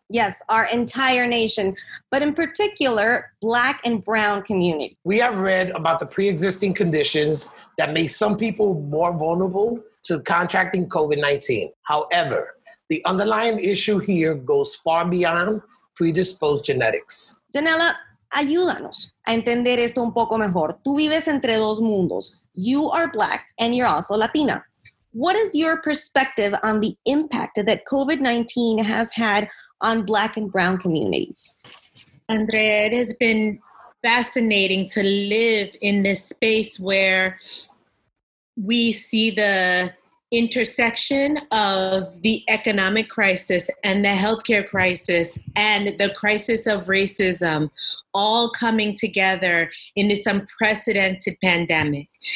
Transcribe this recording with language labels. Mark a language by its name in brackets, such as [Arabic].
[English] Yes, our entire nation, but in particular, Black and Brown community. We have read about the pre-existing conditions that make some people more vulnerable to contracting COVID-19. However, the underlying issue here goes far beyond predisposed genetics. [Spanish] Janella, ayúdanos a entender esto un poco mejor. Tú vives entre dos mundos. [English] You are Black and you're also Latina. What is your perspective on the impact that COVID-19 has had on Black and Brown communities? Andrea, it has been fascinating to live in this space where we see the intersection of the economic crisis and the healthcare crisis and the crisis of racism all coming together in this unprecedented pandemic.